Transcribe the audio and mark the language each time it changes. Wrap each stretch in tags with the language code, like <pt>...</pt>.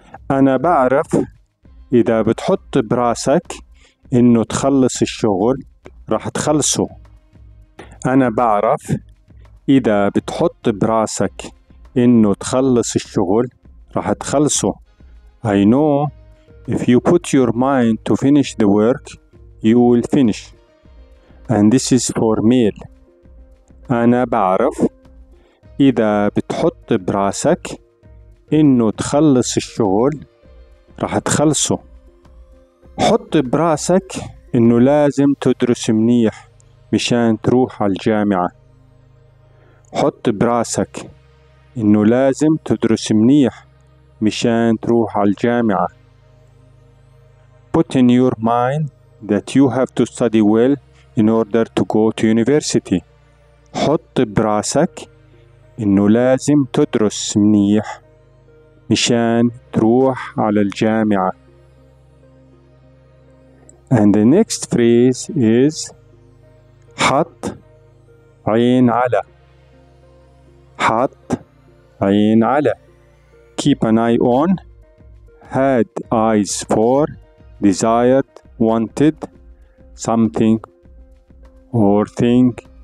<ar>أنا بعرف إذا بتحط براسك إنه تخلص الشغل راح تخلصه. أنا بعرف إذا بتحط براسك إنه تخلص الشغل راح تخلصه.</ar> <en>I know if you put your mind to finish the work you will finish. And this is for male.</en> <ar>أنا بعرف إذا بتحط براسك إنه تخلص الشغل راح تخلصه. حط براسك إنه لازم تدرس منيح مشان تروح على الجامعة. حط براسك إنه لازم تدرس منيح مشان تروح على الجامعة.</ar> <en>Put in your mind that you have to study well in order to go to university.</en> <ar>حط براسك إنه لازم تدرس منيح مشان تروح على الجامعة.</ar> <en>And the next phrase is</en> <ar>حط عين على. حط عين على.</ar> <en>Keep an eye on. Had eyes for. Desired. Wanted. Something. Or thing.</en>